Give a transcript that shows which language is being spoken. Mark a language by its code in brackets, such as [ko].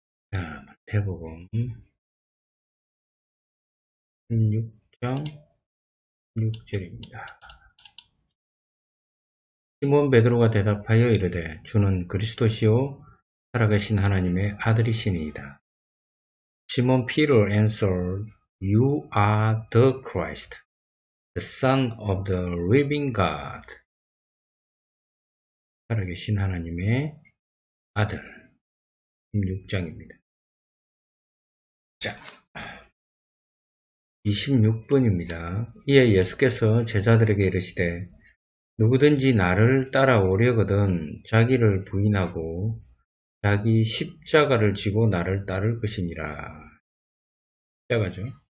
[ko] 자, 마태복음 16장 16절입니다. 시몬 베드로가 대답하여 이르되 주는 그리스도시요 살아계신 하나님의 아들이시니이다. [en] 시몬 피터 answered, You are the Christ, the Son of the living God. [ko] 살아계신 하나님의 아들. 16장입니다. 자, 26번입니다. 이에 예수께서 제자들에게 이르시되 누구든지 나를 따라오려거든 자기를 부인하고 자기 십자가를 지고 나를 따를 것이니라. 십자가죠.